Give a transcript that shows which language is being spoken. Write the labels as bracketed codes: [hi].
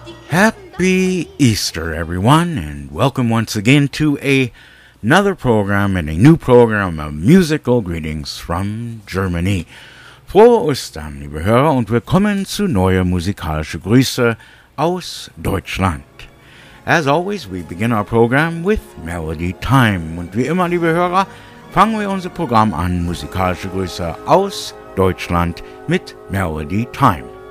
[en] Happy Easter, everyone, and welcome once again to another program and a new program of musical greetings from Germany. [de] Frohe Ostern, liebe Hörer, und willkommen zu neuer musikalischer Grüße aus Deutschland. [en] As always, we begin our program with Melody Time. [de] Und wie immer, liebe Hörer, fangen wir unser Programm an, musikalische Grüße aus Deutschland mit Melody Time.